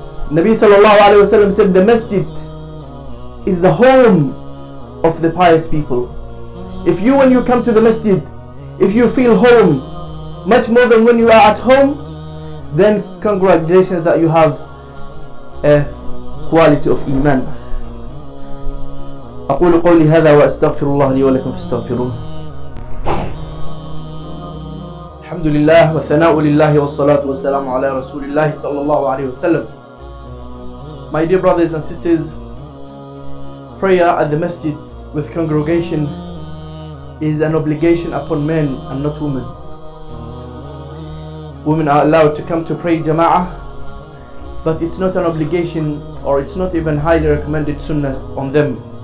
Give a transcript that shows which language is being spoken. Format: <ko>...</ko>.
<en>Nabi sallallahu alayhi wa sallam said, the masjid is the home of the pious people. If you, when you come to the masjid, if you feel home, much more than when you are at home, then congratulations that you have a quality of iman.</en> <ar>أقول قولي هذا وأستغفر الله لي ولكم فاستغفروه. الحمد لله والثناء لله والصلاة والسلام على رسول الله صلى الله عليه وسلم.</ar> <en>My dear brothers and sisters, prayer at the masjid with congregation is an obligation upon men and not women. Women are allowed to come to pray jama'ah, but it's not an obligation, or it's not even highly recommended sunnah on them.</en>